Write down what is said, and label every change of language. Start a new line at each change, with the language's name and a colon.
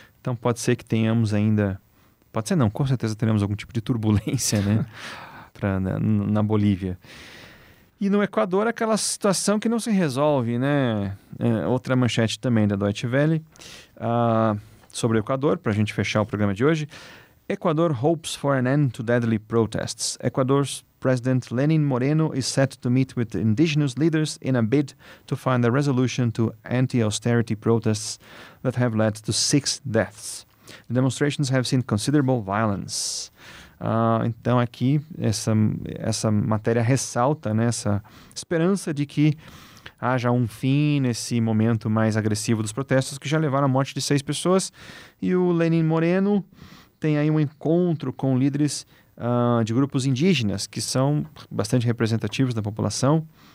Portuguese: Então pode ser que tenhamos ainda... Pode ser não, com certeza teremos algum tipo de turbulência, né? na Bolívia. E no Equador, aquela situação que não se resolve, né? Outra manchete também da Deutsche Welle sobre o Equador, para a gente fechar o programa de hoje.
English: Equador hopes for an end to deadly protests. Ecuador's president Lenin Moreno is set to meet with indigenous leaders in a bid to find a resolution to anti-austerity protests that have led to 6 deaths. The demonstrations have seen considerable violence.
Portuguese: Então aqui essa matéria ressalta, né, essa esperança de que haja um fim nesse momento mais agressivo dos protestos que já levaram à morte de 6 pessoas. E o Lenin Moreno tem aí um encontro com líderes de grupos indígenas que são bastante representativos da população.